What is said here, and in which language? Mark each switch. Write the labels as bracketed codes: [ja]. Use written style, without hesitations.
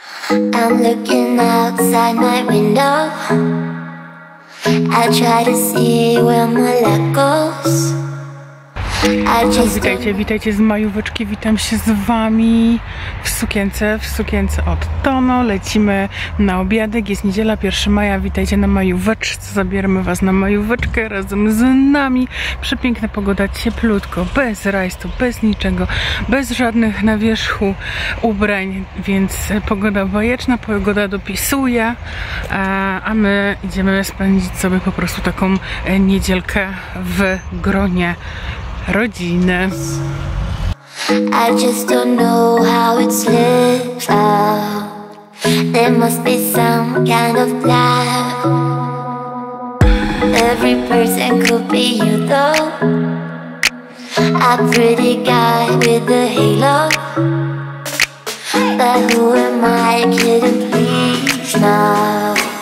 [en] I'm looking outside my window. I try to see where my luck goes. [pl] Witajcie, witajcie z majóweczki, witam się z wami w sukience od Tono, lecimy na obiadek, jest niedziela, 1 maja, witajcie na majóweczce, zabieramy was na majóweczkę razem z nami, przepiękna pogoda, cieplutko, bez rajstu, bez niczego, bez żadnych na wierzchu ubrań, więc pogoda bajeczna, pogoda dopisuje, a my idziemy spędzić sobie po prostu taką niedzielkę w gronie rodziny. [en] I just don't know how it slips out. There must be some kind of plan. Every person could be you though. A pretty guy with a halo. But who am I kidding, please now?